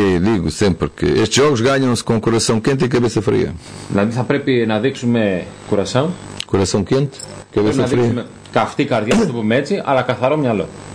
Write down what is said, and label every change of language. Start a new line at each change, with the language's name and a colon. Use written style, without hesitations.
Portuguese: Digo sempre que estes jogos ganham-se com coração quente e cabeça fria.
Greek: Δηλαδή θα πρέπει να δείξουμε coração.
Portuguese: Coração quente, cabeça fria.
Greek: Καυτή καρδιά, θα το πούμε έτσι, αλλά καθαρό μυαλό.